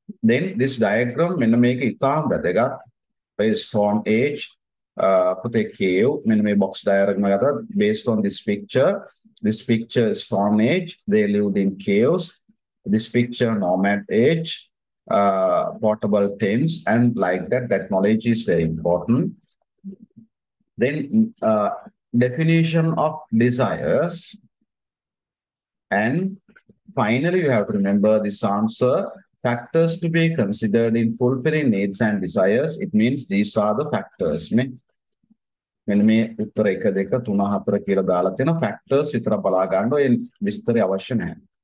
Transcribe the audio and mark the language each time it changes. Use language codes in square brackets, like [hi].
[en] Then this diagram [si] මෙන්න මේක ඉතාම වැදගත්. [en] Based on age. [si] පුතේ කේව් මෙන්න මේ [en] box diagram එකකට based on this picture is stone age, they lived in caves, this picture nomad age, portable tents and like that, that knowledge is very important. Then definition of desires and finally you have to remember this answer. Factors to be considered in fulfilling needs and desires, it means these are the factors. [si] මෙන්න මේ උත්තර 1 2 3 4 කියලා දාලා තියෙන factors විතර බලා ගන්න ඔය විස්තරي අවශ්‍ය නැහැ.